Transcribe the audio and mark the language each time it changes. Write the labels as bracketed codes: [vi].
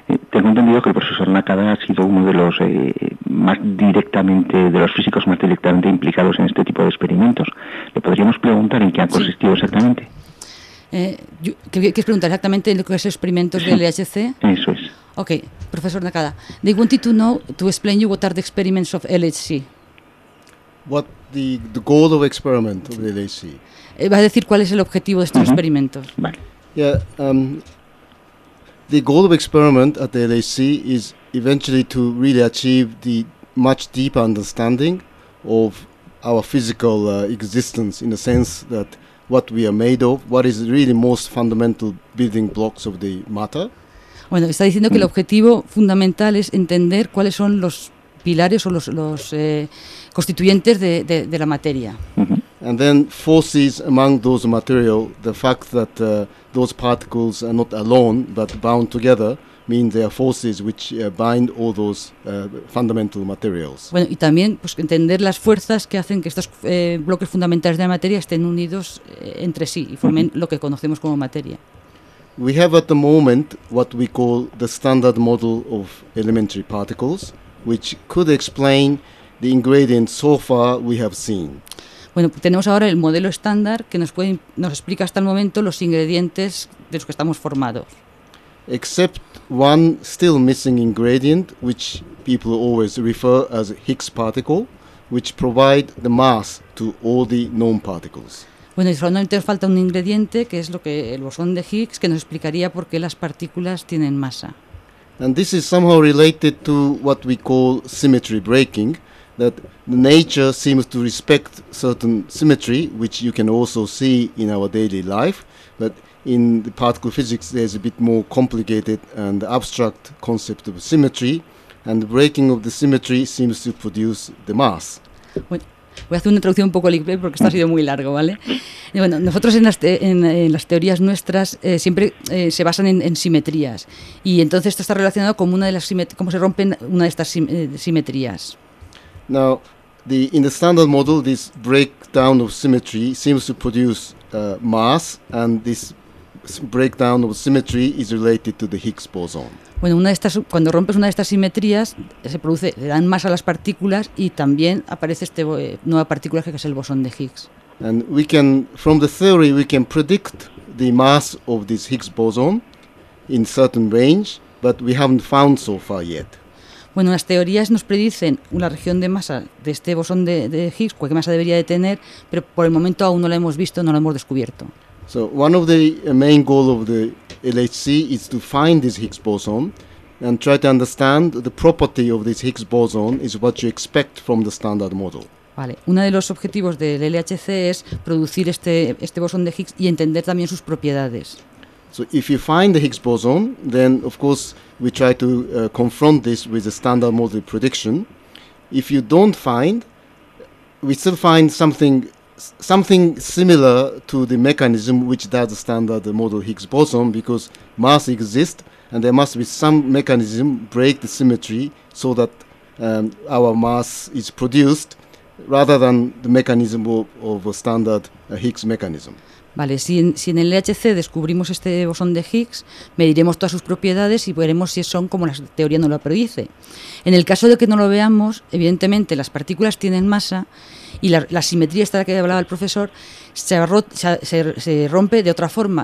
[es] Tengo entendido que el profesor Nakada ha sido uno de los más directamente implicados en este tipo de experimentos. ¿Le podríamos preguntar en qué ha consistido exactamente? ¿Qué es preguntar exactamente lo que es experimentos del LHC? Eso es. Ok, profesor Nakada. [en] They wanted to know to explain you what are the experiments of LHC. What the goal of experiment of LHC? [es] Va a decir cuál es el objetivo de estos experimentos. Vale. [en] Yeah, the goal of experiment at the LHC is eventually to really achieve the much deeper understanding of our physical existence, in the sense that what we are made of, what is really most fundamental building blocks of the matter. [es] Bueno, está diciendo que el objetivo fundamental es entender cuáles son los pilares o los constituyentes de la materia. [en] And then forces among those material, the fact that those particles are not alone but bound together, mean they are forces which bind all those fundamental materials. [es] Bueno, y también pues entender las fuerzas que hacen que estos bloques fundamentales de la materia estén unidos entre sí y formen lo que conocemos como materia. [en] We have at the moment what we call the standard model of elementary particles, which could explain the ingredients so far we have seen. [es] Bueno, tenemos ahora el modelo estándar que nos explica hasta el momento los ingredientes de los que estamos formados. [en] Except one still missing ingredient, which people always refer as Higgs particle, which provide the mass to all the known particles. [es] Bueno, y solamente nos falta un ingrediente, que es lo que el bosón de Higgs, que nos explicaría por qué las partículas tienen masa. [en] And this is somehow related to what we call symmetry breaking, that the nature seems to respect certain symmetry, which you can also see in our daily life, but in the particle physics there's a bit more complicated and abstract concept of symmetry, and the breaking of the symmetry seems to produce the mass. [es] Bueno, voy a hacer una traducción un poco libre porque esto ha sido muy largo, ¿vale? Y bueno, nosotros en las teorías nuestras siempre se basan en simetrías, y entonces esto está relacionado con una de las cómo se rompen una de estas simetrías. [en] Now, in the standard model, this breakdown of symmetry seems to produce mass, and this breakdown of symmetry is related to the Higgs boson. [es] Bueno, cuando rompes una de estas simetrías, le dan masa a las partículas y también aparece esta nueva partícula que es el bosón de Higgs. [en] And we can, from the theory, we can predict the mass of this Higgs boson in certain range, but we haven't found so far yet. [es] Bueno, las teorías nos predicen una región de masa de este bosón de Higgs, cualquier masa debería de tener, pero por el momento aún no la hemos visto, no la hemos descubierto. [en] So one of the main goals of the LHC is to find this Higgs boson and try to understand the property of this Higgs boson is what you expect from the standard model. [es] Vale, uno de los objetivos del LHC es producir este bosón de Higgs y entender también sus propiedades. [en] So if you find the Higgs boson, then of course we try to confront this with a standard model prediction. If you don't find, we still find something similar to the mechanism which does the standard model Higgs boson, because mass exists and there must be some mechanism break the symmetry so that our mass is produced rather than the mechanism of a standard Higgs mechanism. [es] Vale, si en el LHC descubrimos este bosón de Higgs, mediremos todas sus propiedades y veremos si son como la teoría no lo predice. En el caso de que no lo veamos, evidentemente las partículas tienen masa y la simetría esta de la que hablaba el profesor se rompe de otra forma.